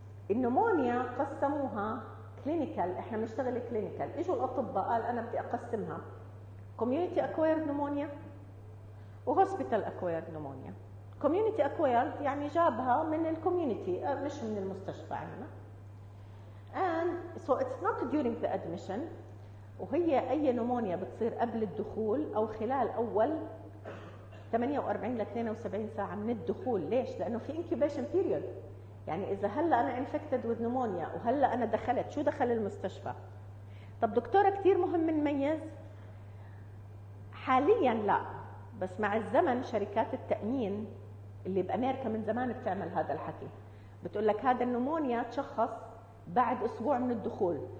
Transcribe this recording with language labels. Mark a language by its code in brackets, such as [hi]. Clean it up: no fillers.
[ar] النمونيا قسموها كلينيكال، احنا بنشتغل كلينيكال. اجوا الاطباء قال انا بدي اقسمها كوميونيتي اكوايرد نمونيا وهوسبيتال اكوايرد نمونيا. كوميونيتي اكوايرد يعني جابها من الكوميونيتي مش من المستشفى عندنا. [en] And so it's not during the admission. [ar] وهي اي نمونيا بتصير قبل الدخول او خلال اول 48 ل 72 ساعه من الدخول. ليش؟ لانه في انكيوبيشن بيريود. يعني إذا هلأ أنا [en] infected with pneumonia [ar] وهلأ أنا دخلت، شو دخل المستشفى؟ طب دكتورة كتير مهم نميز؟ حالياً لا، بس مع الزمن شركات التأمين اللي بأمريكا من زمان بتعمل هذا الحكي، بتقول لك هذا النمونيا تشخص بعد أسبوع من الدخول.